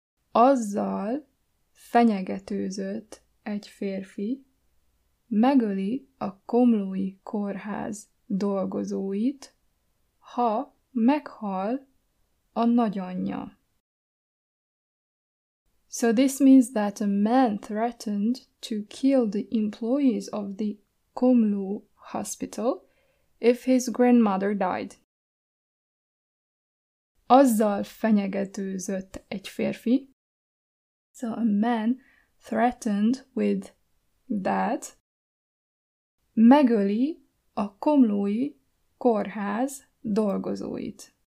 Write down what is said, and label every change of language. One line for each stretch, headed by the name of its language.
Hungarian: Azzal fenyegetőzött egy férfi, megöli a komlói kórház dolgozóit, ha meghal a nagyanyja.
English: So this means that a man threatened to kill the employees of the Komlo hospital if his grandmother died.
Hungarian: Azzal fenyegetőzött egy férfi.
English: So a man threatened with that.
Hungarian: Megöli a komlói kórház dolgozóit.